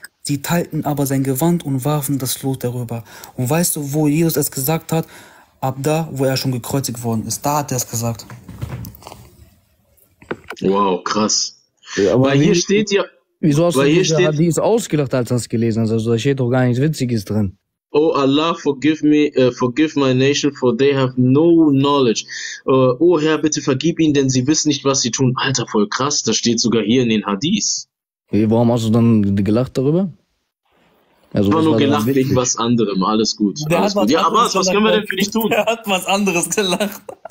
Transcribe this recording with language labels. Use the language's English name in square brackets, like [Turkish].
[German] Sie teilten aber sein Gewand und warfen das Lot darüber. Und weißt du, wo Jesus es gesagt hat? Ab da, wo er schon gekreuzigt worden ist. Da hat er es gesagt. Wow, krass. Ja, aber hier steht ja... Wieso hast du diese Hadith ausgelacht, als du das gelesen hast? Also da steht doch gar nichts Witziges drin. [English] Oh Allah, forgive my nation, for they have no knowledge. [German] Oh Herr, bitte vergib ihnen, denn sie wissen nicht, was sie tun. Alter, voll krass, das steht sogar hier in den Hadith. Hey, warum hast du dann gelacht darüber? Also, ich war nur gelacht wegen was anderem, alles gut. Alles gut. Ja, Abbas, was können wir denn für dich tun? Er hat was anderes gelacht.